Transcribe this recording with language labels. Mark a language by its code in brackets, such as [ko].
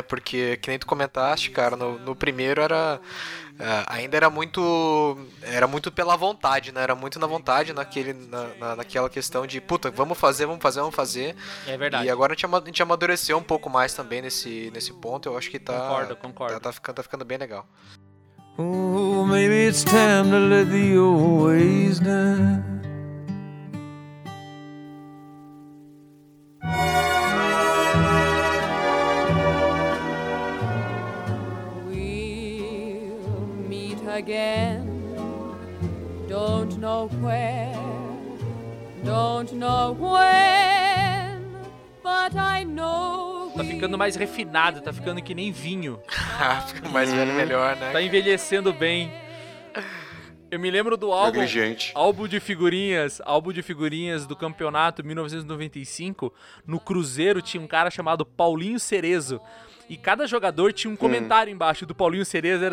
[pt] Porque, que nem tu comentaste, cara, no primeiro era... ainda era muito pela vontade, né? Era muito na vontade, naquela questão de, puta, vamos fazer. É verdade. E agora a gente amadureceu um pouco mais também nesse ponto, eu acho que tá... Concordo. Tá ficando bem legal. [en] Oh, maybe it's time to let the old ways die. We'll meet again. Don't know where, don't know when, but I know. [pt] Tá ficando mais refinado, tá ficando que nem vinho. Fica mais velho, melhor, né? Tá envelhecendo bem. Eu me lembro do álbum. Negligente. Álbum de figurinhas do campeonato 1995. No Cruzeiro tinha um cara chamado Paulinho Cerezo. E cada jogador tinha um comentário embaixo do Paulinho Cerezo.